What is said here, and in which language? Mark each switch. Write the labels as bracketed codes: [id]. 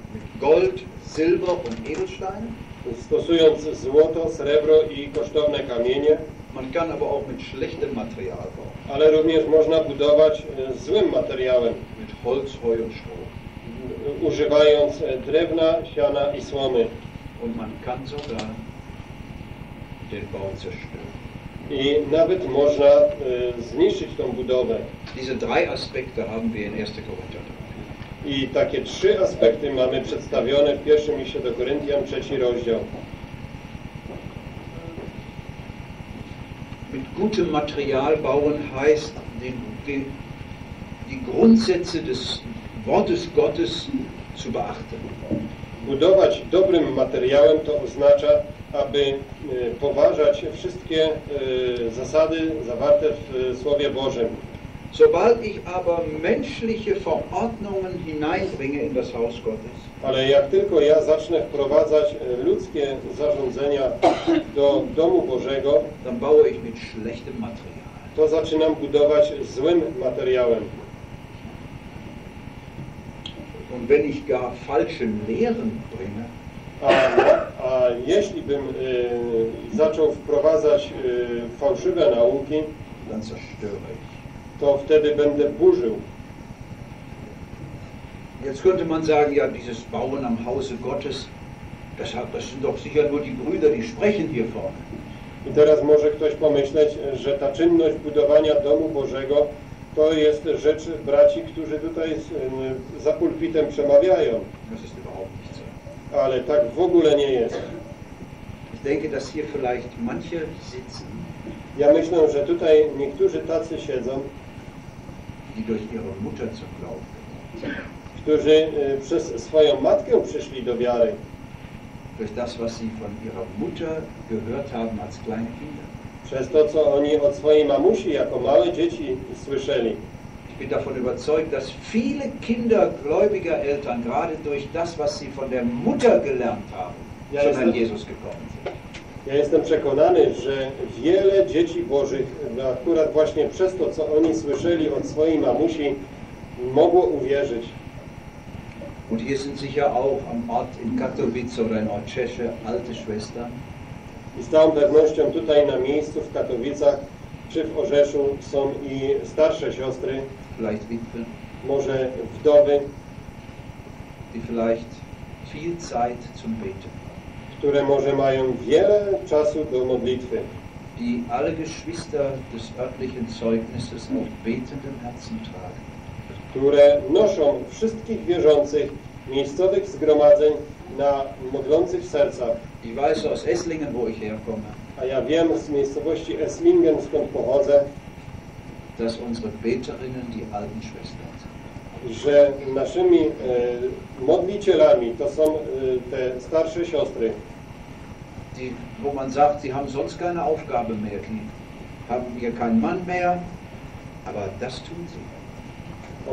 [de] mit Gold, Silber und Edelstein, [pl] stosując złoto, srebro i kosztowne kamienie. [de] Man kann aber auch mit schlechtem Material bauen. [pl] Ale również można budować złym materiałem, [de] mit Holz, Heu und Stroh, [pl] używając drewna, siana i słomy. [de] Und man kann sogar den Bau zerstören. [pl] I nawet można zniszczyć tą budowę. [de] Diese drei Aspekte haben wir in 1. Korinther. [pl] I takie trzy aspekty mamy przedstawione w pierwszym liście do Koryntian, trzeci rozdział. [de] Mit gutem Material bauen heißt die Grundsätze des Wortes Gottes zu beachten. [pl] Budować dobrym materiałem to oznacza, aby poważać wszystkie zasady zawarte w Słowie Bożym. [de] Sobald ich aber menschliche Verordnungen hineinbringe in das Haus Gottes. [pl] Ale jak tylko ja zacznę wprowadzać ludzkie zarządzenia do domu Bożego, [de] dann baue ich mit schlechtem Material. [pl] To zaczynam budować złym materiałem. [de] Und wenn ich gar falsche Lehren bringe. [pl] A jeśli bym zaczął wprowadzać fałszywe nauki, [de] dann zerstöre ich. [pl] To wtedy będę burzył. [de] Jetzt könnte man sagen, ja, dieses Bauen am Hause Gottes, das sind doch sicher nur die Brüder, die sprechen hier vorne. [pl] I teraz może ktoś pomyśleć, że ta czynność budowania domu Bożego to jest rzecz braci, którzy tutaj za pulpitem przemawiają. [de] Das ist überhaupt nicht so. [pl] Ale tak w ogóle nie jest. [de] Ich denke, dass hier vielleicht manche sitzen. [pl] Ja myślę, że tutaj niektórzy tacy siedzą, [de] die durch ihre Mutter zu glauben. [pl] Którzy przez swoją matkę przyszli do wiary. [de] Durch das, was sie von ihrer Mutter gehört haben als kleine Kinder. [pl] Przez to, co oni od swojej mamusi jako małe dzieci słyszeli. [de] Ich bin davon überzeugt, dass viele Kinder gläubiger Eltern gerade durch das, was sie von der Mutter gelernt haben, schon an Jesus gekommen sind. [pl] Ja jestem przekonany, że wiele dzieci Bożych, akurat właśnie przez to, co oni słyszeli od swojej mamusi, mogło uwierzyć. [de] Und hier sind sicher auch am Ort in Katowice oder in Orczesze alte Schwestern. [pl] I z całą pewnością tutaj na miejscu w Katowicach czy w Orzeszu są i starsze siostry, [de] vielleicht Witwe, [pl] może wdowy, [de] die vielleicht viel Zeit zum Beten, [pl] które może mają wiele czasu do modlitwy, [de] die alle Geschwister des örtlichen Zeugnisses auf betendem Herzen tragen, [pl] które noszą wszystkich wierzących miejscowych zgromadzeń na modlących sercach. [de] Ich weiß aus Esslingen, wo ich herkomme. [pl] A ja wiem z miejscowości Esslingen, skąd pochodzę, [de] dass unsere Beterinnen die alten Schwestern sind. [pl] Że naszymi modlicielami to są te starsze siostry. [de] Die, wo man sagt, sie haben sonst keine Aufgabe mehr, die haben hier keinen Mann mehr, aber das tun sie.